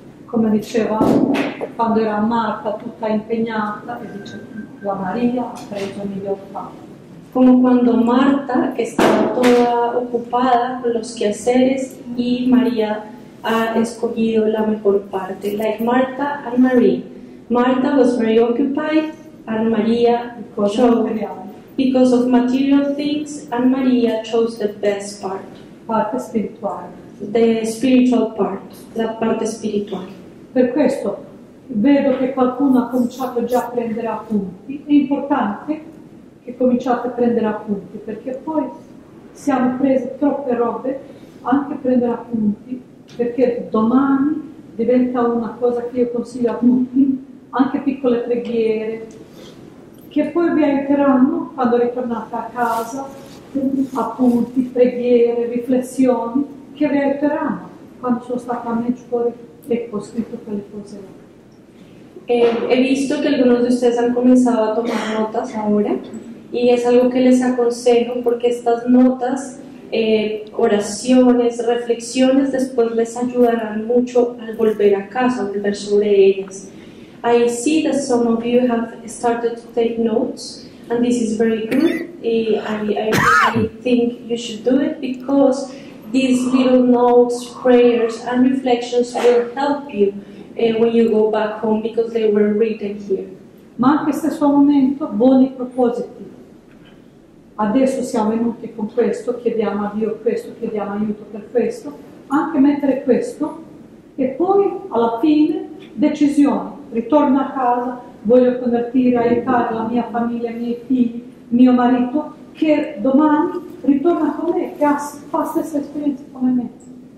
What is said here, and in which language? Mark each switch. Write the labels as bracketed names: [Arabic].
[Italian] Come diceva quando era Marta tutta impegnata, e dice la Maria ha preso il miglior parte. [Spanish] Como cuando Marta estaba toda ocupada con los quehaceres y María ha escogido la mejor parte. [English] Like Marta and Marie. Marta was very occupied and María because of material things and María chose the best part. [Italian] Parte spiritual. [English] The spiritual part. [Italian] La parte spirituale. Per questo vedo che qualcuno ha cominciato già a prendere appunti. È importante che cominciate a prendere appunti, perché poi siamo prese troppe robe, anche prendere appunti, perché domani diventa una cosa che io consiglio a tutti, anche piccole preghiere, che poi vi aiuteranno quando ritornate a casa, appunti, preghiere, riflessioni, che vi aiuteranno. Quando sono stata a Medjugorje, ecco, ho scritto quelle cose là. [Spanish] He visto que algunos de ustedes han comenzado a tomar notas ahora, y es algo que les aconsejo porque estas notas, oraciones, reflexiones, después les ayudarán mucho al volver a casa, al ver sobre ellas. [English] I see that some of you have started to take notes, and this is very good. I think you should do it because these little notes, prayers, and reflections will help you when you go back home because they were written here. [Italian] Ma anche stesso momento, buoni propositi. Adesso siamo venuti con questo, chiediamo a Dio questo, chiediamo aiuto per questo, anche mettere questo e poi alla fine decisione, ritorno a casa, voglio convertire, aiutare la mia famiglia, i miei figli, mio marito, che domani ritorna con me, che ha fa stessa esperienza come me.